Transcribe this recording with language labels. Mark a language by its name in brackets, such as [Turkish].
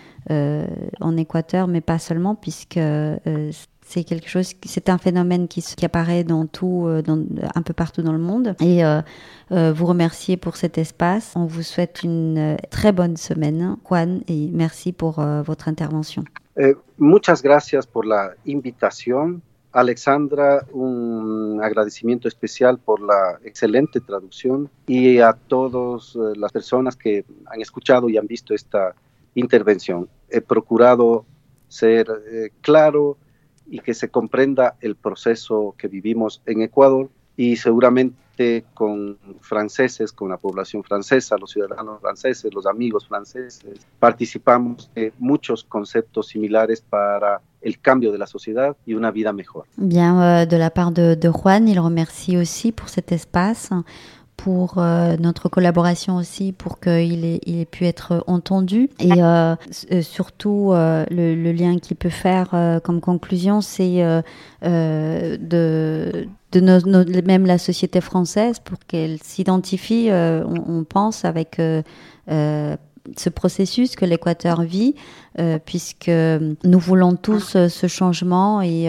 [French] en Équateur, mais pas seulement, puisque c'est un phénomène qui apparaît un peu partout dans le monde. Et vous remercier pour cet espace. On vous souhaite une très bonne semaine, Juan, et merci pour votre intervention. [Spanish] Muchas gracias por la invitación. Alexandra, un agradecimiento especial por la excelente traducción y a todas las personas que han escuchado y han visto esta intervención. He procurado ser claro y que se comprenda el proceso que vivimos en Ecuador y seguramente con franceses, con la población francesa, los ciudadanos franceses, los amigos franceses, participamos de muchos conceptos similares para el cambio de la sociedad y una vida mejor. [French] Bien, de la part de Juan, il remercie aussi pour cet espace, pour notre collaboration aussi, pour qu'il ait pu être entendu. Et surtout, le lien qu'il peut faire comme conclusion, c'est même la société française, pour qu'elle s'identifie, on pense, avec ce processus que l'Équateur vit, puisque nous voulons tous ce changement